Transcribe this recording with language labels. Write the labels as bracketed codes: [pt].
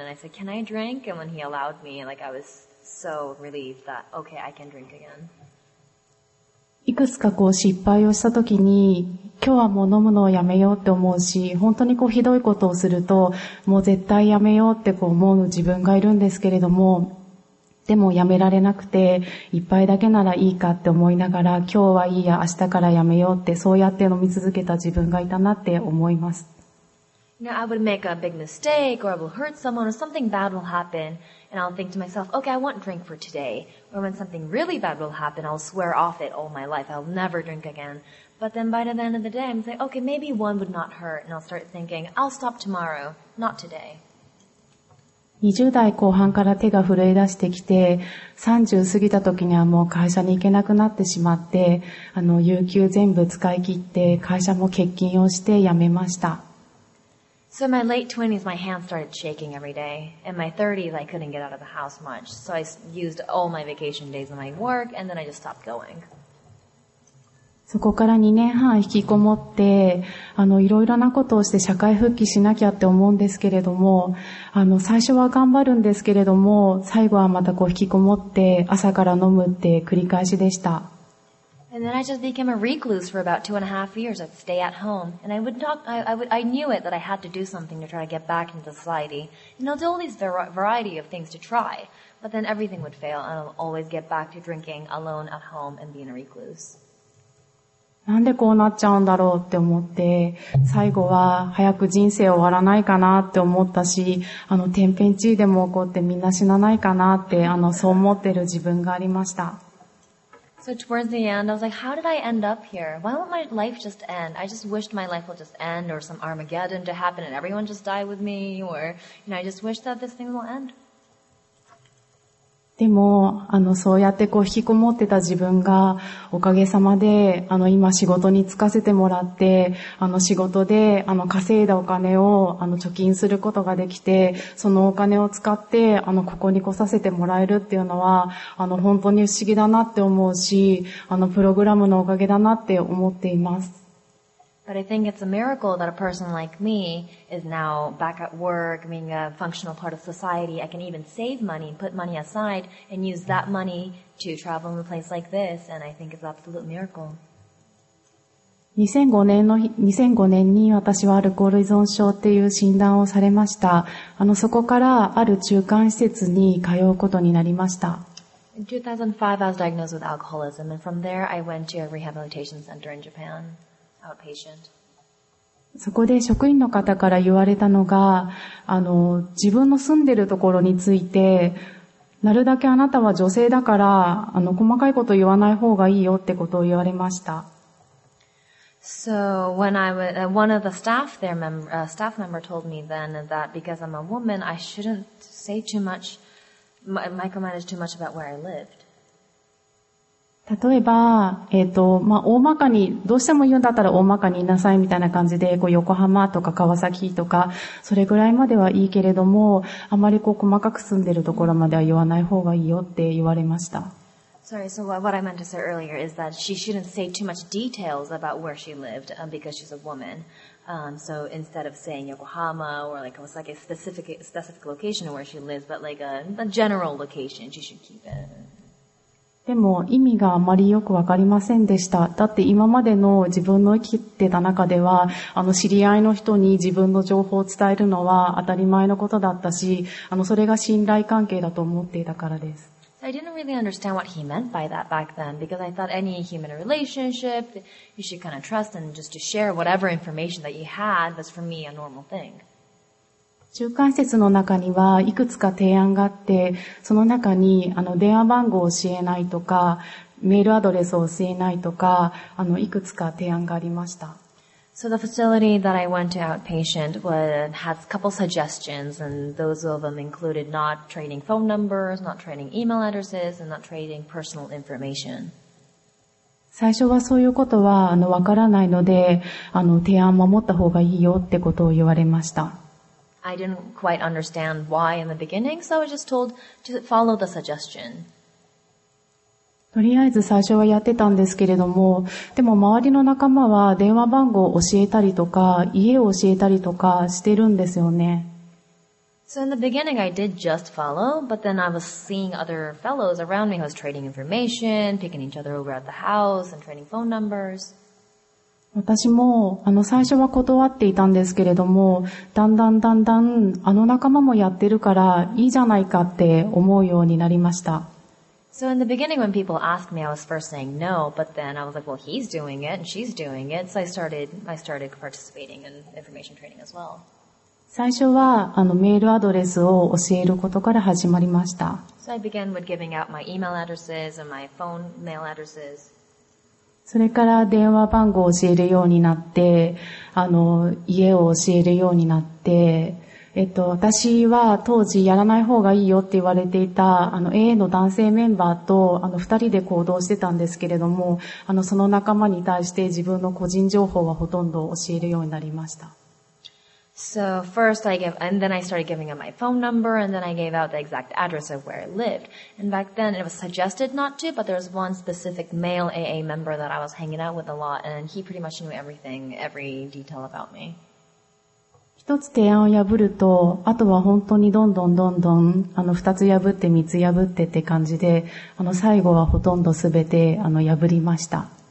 [en] And I said, can I drink? And when he allowed me, I was so relieved that, okay, I can drink again. [ja] いくつかこう失敗をしたときに、今日はもう飲むのをやめようって思うし、本当にこうひどいことをすると、もう絶対やめようってこう思う自分がいるんですけれども、でもやめられなくて、一杯だけならいいかって思いながら、今日はいいや、明日からやめようって、そうやって飲み続けた自分がいたなって思います。 [en] Now, I would make a big mistake, or I will hurt someone, or something bad will happen, and I'll think to myself, okay, I won't drink for today. Or when something really bad will happen, I'll swear off it all my life, I'll never drink again. But then by the end of the day, I'm saying, okay, maybe one would not hurt, and I'll start thinking, I'll stop tomorrow, not today. [ja] 20代後半から手が震え出してきて、30過ぎた時にはもう会社に行けなくなってしまって、有給全部使い切って、会社も欠勤をして辞めました。 [en] So in my late 20s, my hands started shaking every day. In my 30s, I couldn't get out of the house much. So I used all my vacation days in my work, and then I just stopped going. [ja] そこから2年半引きこもって、いろいろなことをして社会復帰しなきゃって思うんですけれども、最初は頑張るんですけれども、最後はまたこう引きこもって、朝から飲むって繰り返しでした。 [en] And then I just became a recluse for about 2.5 years. I'd stay at home. And I knew it that I had to do something to try to get back into society. And I'll do all these variety of things to try. But then everything would fail and I'll always get back to drinking alone at home and being a recluse. [ja] なんでこうなっちゃうんだろうって思って、最後は早く人生終わらないかなって思ったし、天変地異でも起こってみんな死なないかなって、そう思ってる自分がありました。 [en] So towards the end, I was like, how did I end up here? Why won't my life just end? I just wished my life will just end or some Armageddon to happen and everyone just die with me or, you know, I just wish that this thing will end. [ja] でも、そうやってこう引きこもってた自分がおかげさまで、今仕事に就かせてもらって、仕事で、稼いだお金を、貯金することができて、そのお金を使って、ここに来させてもらえるっていうのは、本当に不思議だなって思うし、プログラムのおかげだなって思っています。 [en] But I think it's a miracle that a person like me is now back at work, being a functional part of society. I can even save money, put money aside, and use that money to travel in a place like this. And I think it's an absolute miracle. [ja] 2005年に私はアルコール依存症っていう診断をされました。そこからある中間施設に通うことになりました。 [en] In 2005, I was diagnosed with alcoholism, and from there, I went to a rehabilitation center in Japan. Outpatient. [ja] そこで職員の方から言われたのが、自分の住んでるところについて、なるだけあなたは女性だから、細かいこと言わない方がいいよってことを言われました。 [en] So, when I was, one of the staff there, staff member told me then that because I'm a woman, I shouldn't say too much, micromanage too much about where I lived. [ja] 例えば、大まかに、どうしても言うんだったら大まかに言いなさいみたいな感じで、こう横浜とか川崎とか、それぐらいまではいいけれども、あまりこう細かく住んでるところまでは言わない方がいいよって言われました。 [en] Sorry, so what I meant to say earlier is that she shouldn't say too much details about where she lived because she's a woman. So instead of saying Yokohama or like it was like a specific location where she lives, but like a general location, she should keep it. [ja] でも意味があまりよくわかりませんでした。だって今までの自分の生きてた中では、知り合いの人に自分の情報を伝えるのは当たり前のことだったし、それが信頼関係だと思っていたからです。 [en] So、I didn't really understand what he meant by that back then, because I thought any human relationship, you should kind of trust and just to share whatever information that you had was for me a normal thing. [ja] 中間施設の中にはいくつか提案があって、その中に電話番号を教えないとか、メールアドレスを教えないとか、いくつか提案がありました。 [en] So the facility that I went to outpatient had a couple suggestions, and those of them included not trading phone numbers, not trading email addresses, and not trading personal information. [ja] 最初はそういうことはわからないので、提案を守った方がいいよってことを言われました。 [en] I didn't quite understand why in the beginning, so I was just told to follow the suggestion. [ja] とりあえず最初はやってたんですけれども、でも周りの仲間は電話番号を教えたりとか、家を教えたりとかしてるんですよね。 [en] So in the beginning I did just follow, but then I was seeing other fellows around me who was trading information, picking each other over at the house and trading phone numbers. [ja] 私も最初は断っていたんですけれども、だんだんだんだん仲間もやってるからいいじゃないかって思うようになりました。 [en] So in the beginning when people asked me, I was first saying no, but then I was like, well, he's doing it and she's doing it, so I started participating in information training as well. [ja] 最初はメールアドレスを教えることから始まりました。 [en] So I began with giving out my email addresses and my phone mail addresses. [ja] それから電話番号を教えるようになって、家を教えるようになって、私は当時やらない方がいいよって言われていた、AA の男性メンバーと、二人で行動してたんですけれども、その仲間に対して自分の個人情報はほとんど教えるようになりました。 [en] So first I gave, and then I started giving out my phone number, and then I gave out the exact address of where I lived. And back then it was suggested not to, but there was one specific male AA member that I was hanging out with a lot, and he pretty much knew everything, every detail about me. [ja] 一つ提案を破ると、あとは本当にどんどんどんどん、二つ破って三つ破ってって感じで、最後はほとんどすべて、破りました。